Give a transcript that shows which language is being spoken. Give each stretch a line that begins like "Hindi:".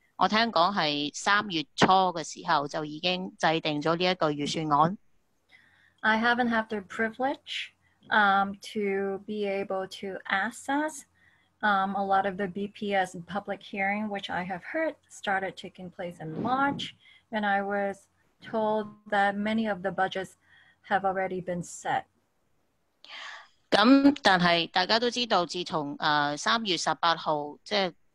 Cantonese: 我聽講係3月初嘅時候就已經制定咗呢一個預算案。I
English: haven't had the privilege to be able to assess a lot of the BPS public hearing, which I have heard started taking place in March, and I was told that many of the budgets have already been set.
Cantonese: 咁但係大家都知道，自從3月18號即係。